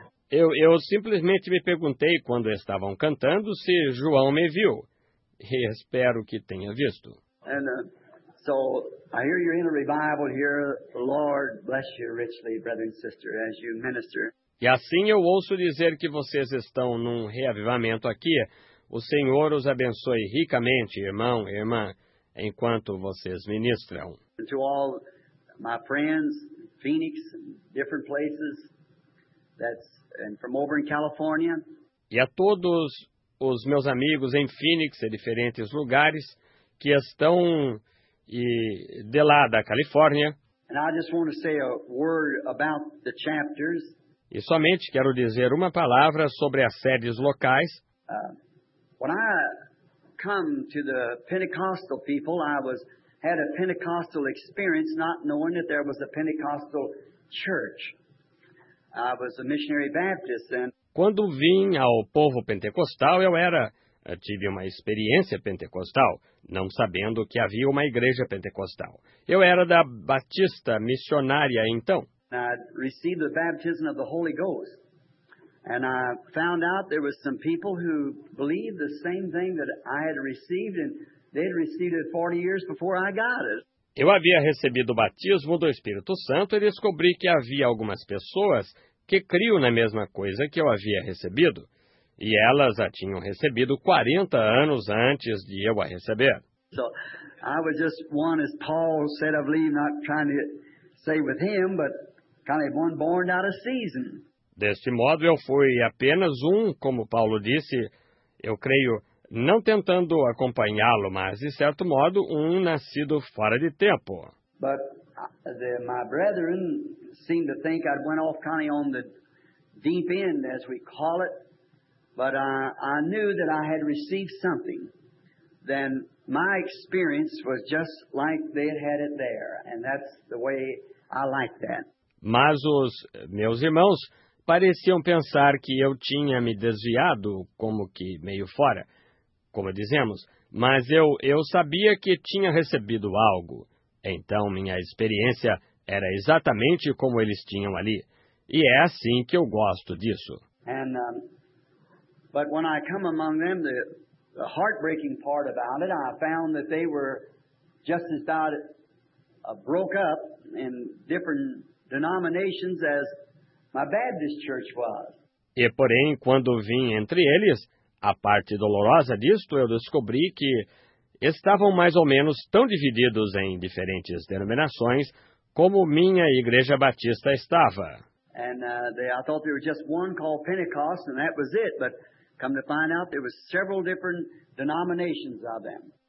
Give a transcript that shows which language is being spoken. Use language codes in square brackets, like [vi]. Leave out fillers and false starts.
[pt] Eu simplesmente me perguntei quando estavam cantando se João me viu. E espero que tenha visto. [en] And so I hear you're in a revival here. Lord bless you richly, brother and sister, as you minister. [pt] E assim eu ouço dizer que vocês estão num reavivamento aqui. O Senhor os abençoe ricamente, irmão e irmã, enquanto vocês ministram. [en] And to all my friends, Phoenix, different places, that's, and from over in California. [pt] E a todos os meus amigos em Phoenix e diferentes lugares que estão de lá da Califórnia. [en] And I just want to say a word about the chapters. [pt] E somente quero dizer uma palavra sobre as sedes locais. [en] When I come to the Pentecostal people, I had a Pentecostal experience, not knowing that there was a Pentecostal church. I was a missionary Baptist. [pt] Quando vim ao povo pentecostal, eu tive uma experiência pentecostal, não sabendo que havia uma igreja pentecostal. Eu era da Batista missionária então. [en] I received the baptism of the Holy Ghost. And I found out there was some people who believed the same thing that I had received, and they had received it 40 years before I got it. [pt] Eu havia recebido o batismo do Espírito Santo e descobri que havia algumas pessoas que criam na mesma coisa que eu havia recebido, e elas a tinham recebido 40 anos antes de eu a receber. [en] So, I was just one, as Paul said, of leave, not trying to say with him, but kind of one born out of season. [pt] Deste modo, eu fui apenas um, como Paulo disse, eu creio, não tentando acompanhá-lo, mas, de certo modo, um nascido fora de tempo. [en] But my brethren seemed to think I'd went off kind of on the deep end, as we call it, but I knew that I had received something. Then my experience was just like they had it there, and that's the way I like that. [pt] Mas os meus irmãos pareciam pensar que eu tinha me desviado, como que meio fora, como dizemos, mas eu sabia que tinha recebido algo. Então, minha experiência era exatamente como eles tinham ali. E é assim que eu gosto disso. [en] But when I come among them, the heartbreaking part about it, I found that they were just as about broke up in different denominations as my Baptist church was. [pt] E porém, quando vim entre eles, a parte dolorosa disto, eu descobri que estavam mais ou menos tão divididos em diferentes denominações como minha igreja batista estava. [en] I thought there was just one called Pentecost, and that was it. But come to find out, there were several different denominations of them.